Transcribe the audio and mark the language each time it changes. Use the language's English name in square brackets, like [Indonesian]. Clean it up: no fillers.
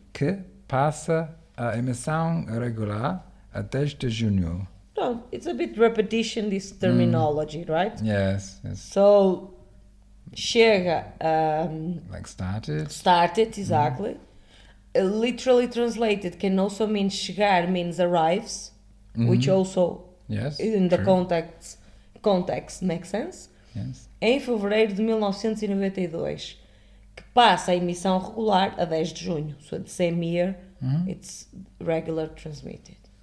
[Portuguese] que passa a emissão regular até de junho. [English] No, it's a bit repetition, this terminology, right? Yes. [Portuguese] So, chega... [English] like started. Started, exactly. Mm. Literally translated can also mean chegar means arrives, mm-hmm. which also, yes, in true. The context, makes sense. Yes. [Portuguese] Em fevereiro de 1992, que passa a emissão regular a 10 de junho. [English] So, the same year, mm-hmm. it's regular transmitted.